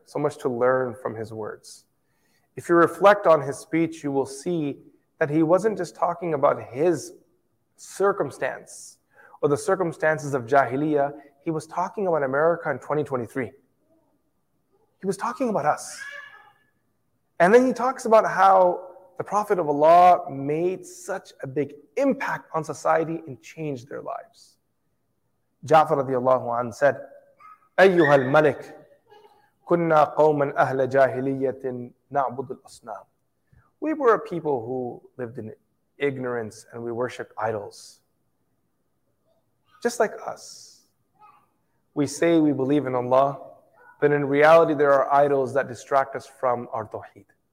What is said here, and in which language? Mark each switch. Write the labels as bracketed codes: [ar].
[en] So much to learn from his words. If you reflect on his speech, you will see that he wasn't just talking about his circumstance or the circumstances of Jahiliyyah. He was talking about America in 2023. He was talking about us. And then he talks about how the Prophet of Allah made such a big impact on society and changed their lives. Ja'far radiallahu anhu said, [ar] أَيُّهَا الْمَلِكُ كُنَّا قَوْمًا أَهْلَ جَاهِلِيَّةٍ نَعْبُدُ الْأَصْنَامِ. [en] We were a people who lived in ignorance and we worshipped idols. Just like us. We say we believe in Allah, but in reality there are idols that distract us from our tawheed.